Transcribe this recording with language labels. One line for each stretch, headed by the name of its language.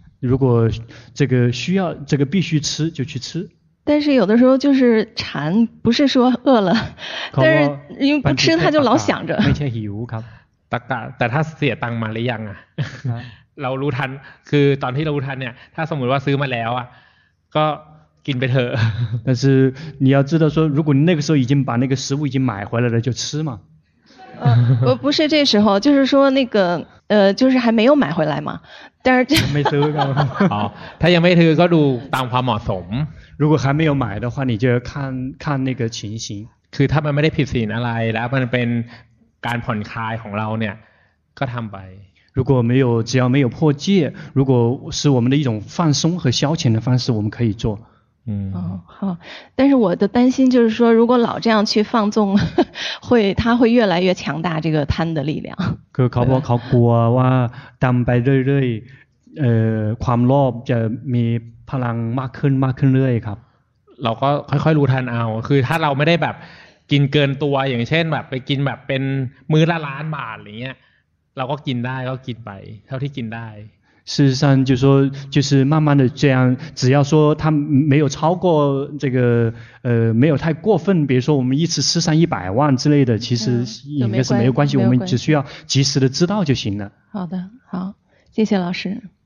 Chinese: 如果这个需要这个必须吃就去吃但是有的时候就是馋不是说饿了但是因为不吃他就老想着
Thai: ไม่ใช่หิวครับ แต่ถ้าเสียตังมาหรือยังอ่ะเรารู้ทันคือตอนที่เรารู้ทันเนี่ยถ้าสมมติว่าซื้อมาแล้วอ่ะก็กินไปเถอะ
Chinese: 但是你要知道说如果那个时候已经把那个食物已经买回来了就吃嘛不是这时候就是说那个就是还没有买回来嘛但是没吃到他也没吃到就当花马怂如果还没有买的话你就要看看那个情形
Thai: คือถ้ามันไม่ได้ผิดศีลอะไรแล้วมันเป็นการผ่อนคลายของเราเนี่ยก็ทำไป
Chinese: 如果没有只要没有破戒如果是我们的一种放松和消遣的方式我们可以做但是我的担心就是说如果老这样去放纵会他会越来越强大这个贪的力量
Thai: คือเขาบอกเขากลัวว่าตามไปเรื่อยๆความโลภจะมีพลังมากขึ้นเรื่อยครับ เราก็ค่อยๆรู้ทันเอาคือถ้าเราไม่ได้แบบกินเกินตัวอย่างเช่นแบบไปกินแบบเป็นมื้อละล้านบาทอะไรเงี้ยเราก็กินได้ก็กินไปเท่าที่กินได้
Chinese: 事实上就是说就是慢慢的这样只要说他没有超过这个没有太过分比如说我们一次吃上100万之类的其实应该是没有关系我们只需要及时的知道就行了好的好谢谢老师